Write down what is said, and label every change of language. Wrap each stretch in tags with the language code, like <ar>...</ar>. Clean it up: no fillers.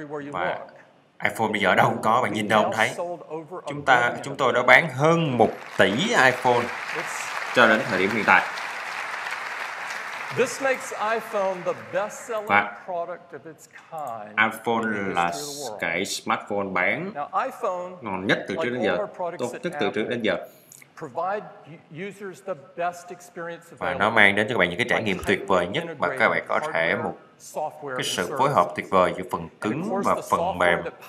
<vi>Và iPhone bây giờ đâu có, bạn nhìn đâu cũng thấy. Chúng tôi đã bán hơn 1 tỷ iPhone cho đến thời điểm hiện tại.</vi> <en>This makes iPhone the best-selling product of its kind.</en> <vi>iPhone là cái smartphone bán ngon nhất từ trước đến giờ, tốt nhất từ trước đến giờ.</vi> <en>Provide users the best experience available.</en> <vi>Và nó mang đến cho các bạn những cái trải nghiệm tuyệt vời nhất mà các bạn có thể, một cái sự phối hợp tuyệt vời giữa phần cứng và phần mềm.</vi>